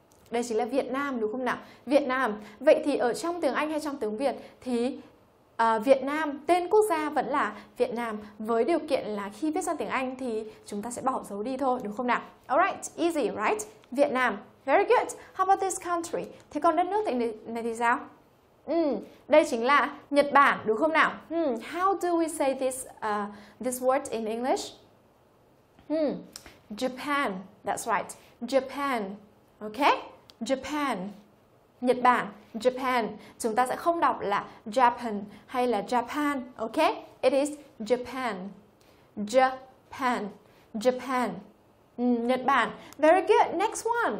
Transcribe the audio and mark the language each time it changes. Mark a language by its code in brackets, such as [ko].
[vi] Đây chính là Việt Nam, đúng không nào? Việt Nam. Vậy thì ở trong tiếng Anh hay trong tiếng Việt thì Việt Nam, tên quốc gia vẫn là Việt Nam, với điều kiện là khi viết sang tiếng Anh thì chúng ta sẽ bỏ dấu đi thôi, đúng không nào? [en] Alright, easy, right? Việt Nam. Very good. How about this country? [vi] Thế còn đất nước này thì sao? Đây chính là Nhật Bản, đúng không nào? [en] How do we say this this word in English? Japan. That's right. Japan. Okay, Japan, Nhật Bản, Japan. [vi] Chúng ta sẽ không đọc là Japan hay là Japan. [en] Okay, it is Japan, Japan, Japan, Nhật Bản. Very good. Next one.